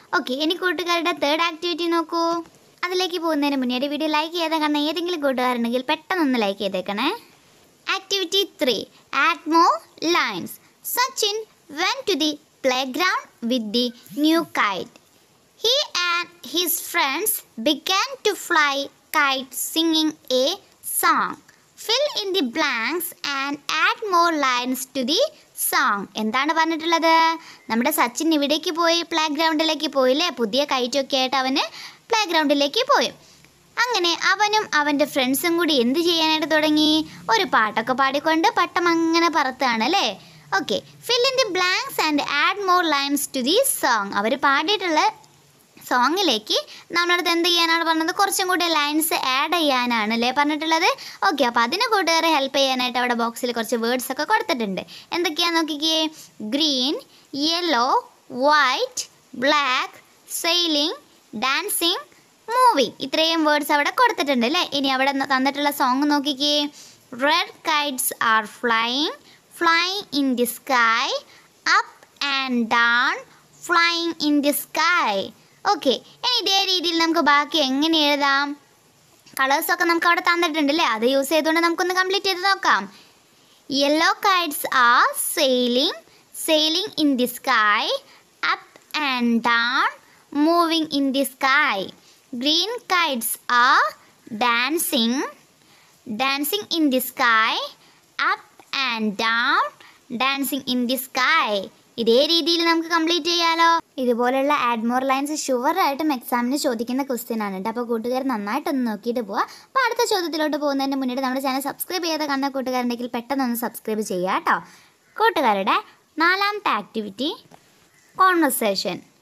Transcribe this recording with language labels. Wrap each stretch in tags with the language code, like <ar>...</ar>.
<ml>Okay, ഇനി കൂട്ടുകാരുടെ third activity നോക്കൂ. അതിലേക്ക് പോകുന്നതിന് മുന്നേ വീഡിയോ ലൈക്ക് ചെയ്ത് കാരണം ഏതെങ്കിലും കൂട്ടുകാരുണ്ടെങ്കിൽ പെട്ടെന്നൊന്ന് ലൈക്ക് ചെയ്തേക്കണേ.</ml> <en>Activity 3, add more lines. Sachin went to the play ground with the new kite. He and his friends began to fly kite singing a song. Fill in the blanks and add more lines to the song.</en> <ml>എന്താണ് പറഞ്ഞിട്ടുള്ളത്? നമ്മുടെ സച്ചിൻ ഇവിടേക്ക് പോയി, play ഗ്രൗണ്ടിലേക്ക് പോയി അല്ലേ. പുതിയ കൈറ്റൊക്കെ ആയിട്ട് അവന് പ്ലേ ഗ്രൗണ്ടിലേക്ക് പോയി. അങ്ങനെ അവനും അവൻ്റെ ഫ്രണ്ട്സും കൂടി എന്ത് ചെയ്യാനായിട്ട് തുടങ്ങി? ഒരു പാട്ടൊക്കെ പാടിക്കൊണ്ട് പട്ടം അങ്ങനെ പറത്താണ് അല്ലേ. Okay,</ml> <en>Fill in the blanks and add more lines to the song.</en> <ml>അവർ പാടിയിട്ടുള്ള സോങ്ങിലേക്ക് നമ്മളടുത്ത് എന്ത് ചെയ്യാനാണ് പറഞ്ഞത്? കുറച്ചും കൂടി ലൈൻസ് ആഡ് ചെയ്യാനാണ് അല്ലേ പറഞ്ഞിട്ടുള്ളത്. ഓക്കെ, അപ്പോൾ അതിന് കൂട്ടുകാരെ ഹെൽപ്പ് ചെയ്യാനായിട്ട് അവിടെ ബോക്സിൽ കുറച്ച് വേർഡ്സൊക്കെ കൊടുത്തിട്ടുണ്ട്. എന്തൊക്കെയാണ് നോക്കിക്കേ, green, yellow, white, black, sailing, dancing, moving. ഇത്രയും വേർഡ്സ് അവിടെ കൊടുത്തിട്ടുണ്ട് അല്ലേ. ഇനി അവിടെ തന്നിട്ടുള്ള സോങ് നോക്കിക്കേ,</ml> <en>Red kites are flying, flying in the sky, up and down, flying in the sky.</en> <ml>Okay, ഇനി ഇതേ രീതിയിൽ നമുക്ക് ബാക്കി എങ്ങനെ എഴുതാം? കളേഴ്സൊക്കെ നമുക്ക് അവിടെ തന്നിട്ടുണ്ട് അല്ലേ, അത് യൂസ് ചെയ്തുകൊണ്ട് നമുക്കൊന്ന് കംപ്ലീറ്റ് ചെയ്ത് നോക്കാം.</ml> <en>Yellow kites are sailing, sailing in the sky, up and down, moving in the sky. Green kites are dancing, dancing in the sky, up and down, dancing in the sky.</en> <ml>ഇതേ രീതിയിൽ നമുക്ക് complete ചെയ്യാലോ. ഇതുപോലുള്ള add more lines sure ആയിട്ടും എക്സാമിന് ചോദിക്കുന്ന question ആണ്. അപ്പോൾ കൂട്ടുകാർ നന്നായിട്ടൊന്ന് നോക്കിയിട്ട് പോവാം. അപ്പോൾ അടുത്ത ചോദ്യത്തിലോട്ട് പോകുന്നതിന് മുന്നേ നമ്മുടെ ചാനൽ സബ്സ്ക്രൈബ് ചെയ്യാതെ കണ്ട കൂട്ടുകാരുണ്ടെങ്കിൽ പെട്ടെന്നൊന്ന് സബ്സ്ക്രൈബ് ചെയ്യുക കേട്ടോ. കൂട്ടുകാരുടെ നാലാമത്തെ ആക്ടിവിറ്റി കോൺവെർസേഷൻ.</ml>